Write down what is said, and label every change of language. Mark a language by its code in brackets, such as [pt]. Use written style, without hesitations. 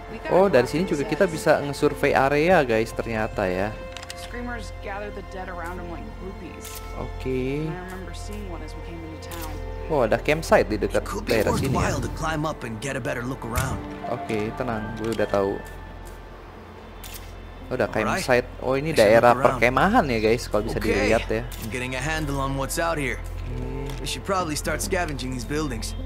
[id] Oh, dari sini juga kita bisa nge-survey area, guys. Ternyata ya. [en] Screamers gather the dead around them like groupies. Okay. I remember seeing one as we came into town. [id] Oh, ada campsite di dekat daerah sini. [en] It could be worthwhile to climb up and get a better look around. [id] Okay, tenang, gue udah tahu. Oh, ada campsite. Oh, ini daerah perkemahan ya guys, kalau bisa dilihat ya. [en] I'm getting a handle on what's out here. We should probably start scavenging these buildings.